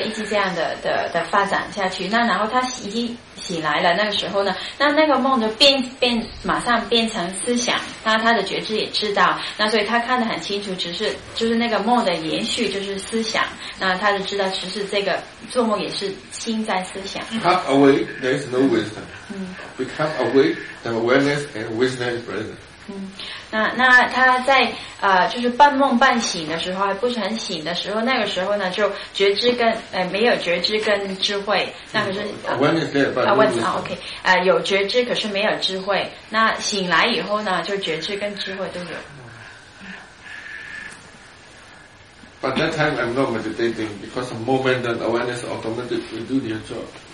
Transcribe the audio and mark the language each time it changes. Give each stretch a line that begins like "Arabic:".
Chinese: 他是说他有一个经验要跟大家分享一下，就是有一次他睡觉了，然后呢就在做梦嘛。那然后呢，因为那个时候觉知也很好，那所以呢就是背后都有觉知的。那然后呢，他快醒来的时候呢，他发现那个梦呢，那个梦一直就是有一个故事嘛，那个故事的一直这样的发展下去。那然后他已经 醒来了，那个时候呢，那个梦就变马上变成思想，那他的觉知也知道，那所以他看得很清楚，只是那个梦的延续就是思想，那他就知道其实这个做梦也是心在思想。
English: Become awake, there is no wisdom. Become awake, the awareness and wisdom is present.
Chinese: 那他在就是半梦半醒的时候，还不是很醒的时候，那个时候呢，就觉知跟没有觉知跟智慧，那可是啊，问题是半梦半醒，OK，有觉知可是没有智慧，那醒来以后呢，就觉知跟智慧都有。
English: But that time I'm not meditating because the moment that awareness automatically do their job.